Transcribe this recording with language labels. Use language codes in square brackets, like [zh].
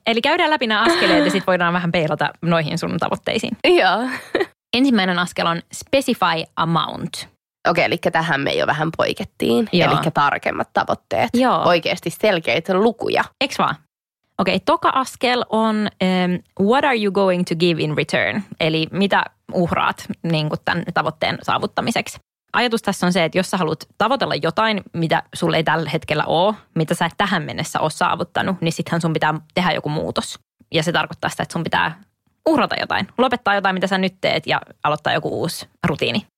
[fi] Eli käydään läpi nämä askeleet ja sitten voidaan vähän peilata noihin sun tavoitteisiin. Joo. Ensimmäinen askel on [en] specify amount. [fi] Okei, okay, eli tähän me jo vähän poikettiin. Eli tarkemmat tavoitteet. Joo. Oikeasti selkeitä lukuja. Eks vaan? [en] Okei, okay, [fi] toka askel on [en] what are you going to give in return? [fi] Eli mitä uhraat niin kuin tämän tavoitteen saavuttamiseksi? Ajatus tässä on se, että jos sä haluat tavoitella jotain, mitä sulle ei tällä hetkellä ole, mitä sä et tähän mennessä ole saavuttanut, niin sittenhän sun pitää tehdä joku muutos. Ja se tarkoittaa sitä, että sun pitää uhrata jotain, lopettaa jotain, mitä sä nyt teet ja aloittaa joku uusi rutiini.